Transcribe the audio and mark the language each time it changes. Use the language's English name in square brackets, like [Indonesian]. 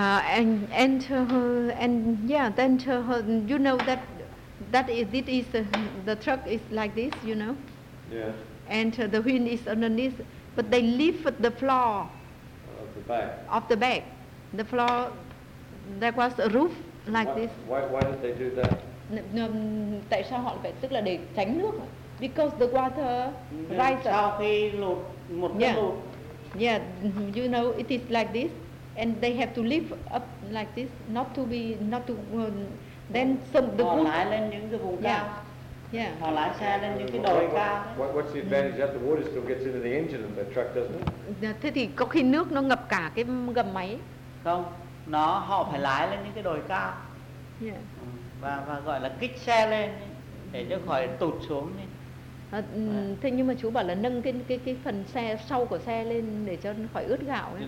[English] You know the truck is like this, you know. Yeah. And the wind is underneath, but they leave the floor. Of the back, the floor, there was a roof like why, this. Why did they do that? [Vietnamese] Tại sao họ phải tức là để tránh nước? [English] because the water rises. [Vietnamese] Sau khi lụt, một cái lụt. [English] Yeah, you know, it is like this. And they have to live up like this, not to be, not to, then some, the water. [Vietnamese] Họ lại lên những cái vùng cao. [English] Yeah. [Vietnamese] Họ lại xe lên những cái đồi cao. [English] What's the advantage that the water still gets into the engine of the truck, doesn't it? [Vietnamese] Thế thì có khi nước nó ngập cả cái gầm máy. Không, nó, họ phải lái lên những cái đồi cao. [English] Yeah. [Vietnamese] Và gọi là kích xe lên để cho khỏi tụt xuống đi. Thế nhưng mà chú bảo là nâng cái phần xe sau của xe lên để cho nó khỏi ướt gạo ấy.